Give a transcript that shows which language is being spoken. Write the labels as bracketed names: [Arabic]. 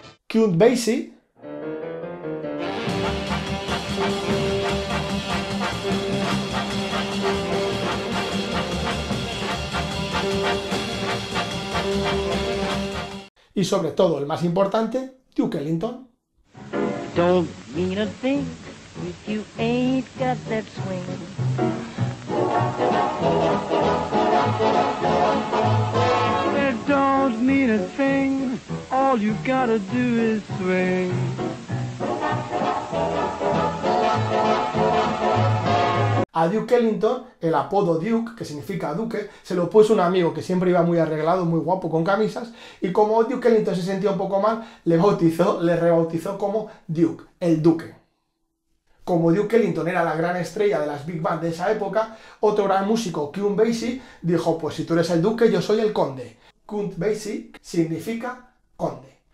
[Spanish] Count Basie, y sobre todo el más importante, Duke Ellington. [English] Don't mean a thing if you ain't got that swing. It don't mean a thing. All you gotta do is swing. [Spanish] A Duke Ellington, el apodo Duke, que significa duque, se lo puso un amigo que siempre iba muy arreglado, muy guapo, con camisas, y como Duke Ellington se sentía un poco mal, le rebautizó como Duke, el duque. Como Duke Ellington era la gran estrella de las Big Band de esa época, otro gran músico, Count Basie, dijo, pues si tú eres el duque, yo soy el conde. Count Basie significa conde.